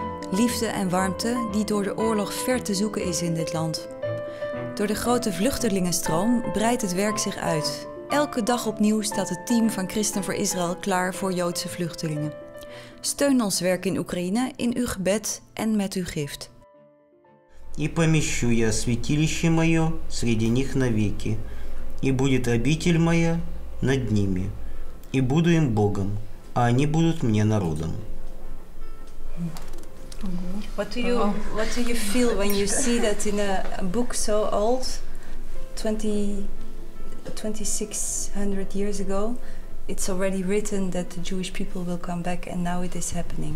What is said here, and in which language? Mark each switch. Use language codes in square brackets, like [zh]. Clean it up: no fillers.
[nl] Liefde en warmte die door de oorlog ver te zoeken is in dit land. Door de grote vluchtelingenstroom breidt het werk zich uit. Elke dag opnieuw staat het team van Christen voor Israël klaar voor Joodse vluchtelingen. Steun ons werk in Oekraïne in uw gebed en met uw gift. [ru] И помещу я святилище мое среди них навеки, и будет обитель моя над ними, и буду им Богом, а они будут мне народом. [en] What do you feel when you see that in a book so old, 2600 years ago, it's already written that the Jewish people will come back, and now it is happening?